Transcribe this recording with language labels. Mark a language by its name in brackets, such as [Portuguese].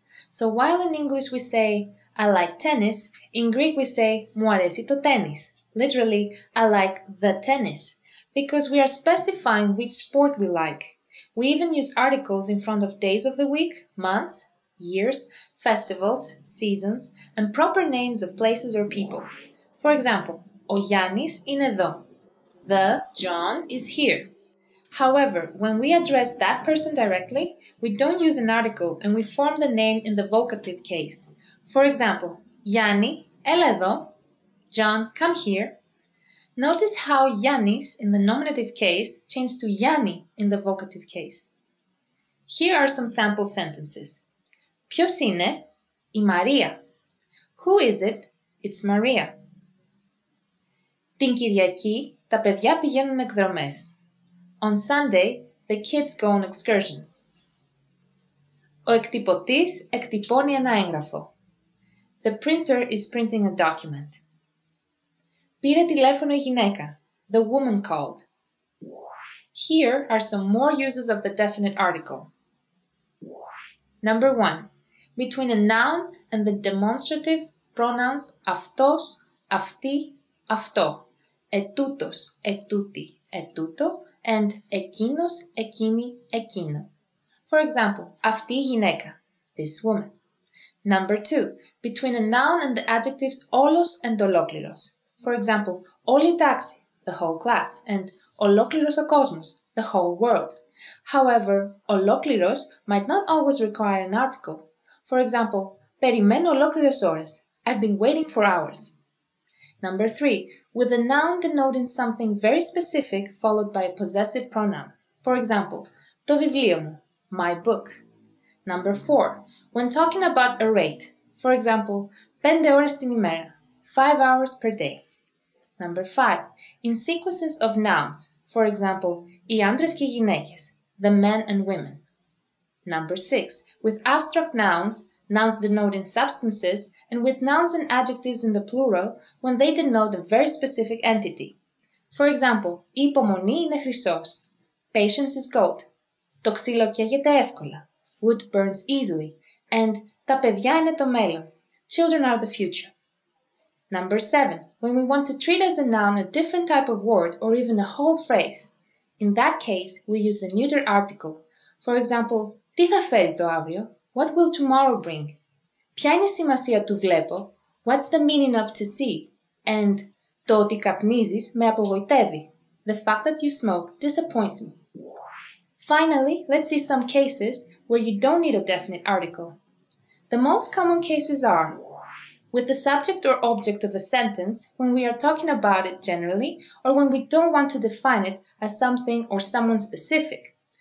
[English] So while in English we say, I like tennis, in Greek we say, [Greek] μου αρέσει το [English] tennis, literally, I like the tennis, because we are specifying which sport we like. We even use articles in front of days of the week, months, years, festivals, seasons, and proper names of places or people. [Greek] For example, ο Γιάννης είναι εδώ. [English] The John is here. However, when we address that person directly, we don't use an article and we form the name in the vocative case. [Greek] For example, Γιάννη, έλα εδώ. [English] John, come here. Notice how Γιάννης in the nominative case changed to Γιάννη in the vocative case. Here are some sample sentences. [Greek] Ποιος είναι? Η Μαρία. [English] Who is it? It's Maria. [Greek] Την Κυριακή, τα παιδιά πηγαίνουν εκδρομές. [English] On Sunday, the kids go on excursions. [Greek] Ο εκτυπωτής εκτυπώνει ένα έγγραφο. [English] The printer is printing a document. [Greek] Πήρε τηλέφωνο η γυναίκα. [English] The woman called. Here are some more uses of the definite article. Number 1. Between a noun and the demonstrative pronouns [Greek] αυτός, αυτή, αυτό. Ετούτος, ετούτη, ετούτο, and εκείνος, εκείνη, εκείνο. [English] For example, [Greek] αυτή η γυναίκα, [English] this woman. Number 2. Between a noun and the adjectives όλος and ολόκληρος. For example, [Greek] όλη η τάξη, [English] the whole class, and [Greek] ολόκληρος ο κόσμος, [English] the whole world. However, ολόκληρος might not always require an article. For example, [Greek] περιμένω ολόκληρες ώρες, [English] I've been waiting for hours. Number 3. With a noun denoting something very specific followed by a possessive pronoun. For example, [Greek] το βιβλίο μου, [English] my book. Number 4. When talking about a rate. For example, 5 [Greek] ώρες την ημέρα, [English] 5 hours per day. Number 5. In sequences of nouns. For example, [Greek] οι άντρες και οι γυναίκες, [English] the men and women. Number 6. With abstract nouns, nouns denoting substances, and with nouns and adjectives in the plural when they denote a very specific entity. For example, [Greek] η υπομονή είναι χρυσός. [English] Patience is gold. [Greek] Το ξύλο καίγεται εύκολα. [English] Wood burns easily. And [Greek] τα παιδιά είναι το μέλλον. [English] Children are the future. Number 7. When we want to treat as a noun a different type of word or even a whole phrase. In that case, we use the neuter article. For example, [Greek] τι θα φέρει το αύριο? [English] What will tomorrow bring? [Greek] Ποια είναι η σημασία του βλέπω? [English] What's the meaning of to see? And [Greek] το ότι καπνίζεις με απογοητεύει. [English] The fact that you smoke disappoints me. Finally, let's see some cases where you don't need a definite article. The most common cases are with the subject or object of a sentence, when we are talking about it generally, or when we don't want to define it as something or someone specific.